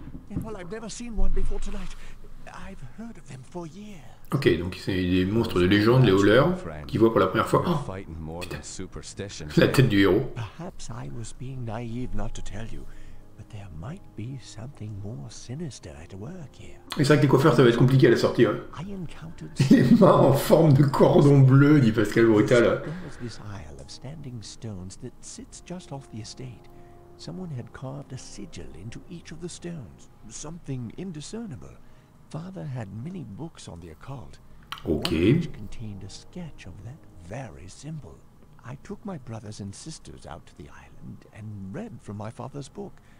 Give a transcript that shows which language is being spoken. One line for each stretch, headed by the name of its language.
English: Well, I've never seen one before tonight. I've heard of them for years.
French: Ok, donc c'est des monstres de légende, les howlers, qui voient pour la première fois. Oh, putain. La tête du héros.
English: Perhaps I was being naive not to tell you, but there might be something more sinister at work here.
French: Et c'est vrai que les coiffeurs, ça va être compliqué à la sortie. Hein. Les mains en forme de cordon bleu, dit Pascal Brutal.
English: This isle of standing stones that sits just off the estate. Someone had carved a sigil into each of the stones, something indiscernible. Father had many books on the occult. Okay. One contained a sketch of that very symbol. I took my brothers and sisters out to the island and read from my father's book.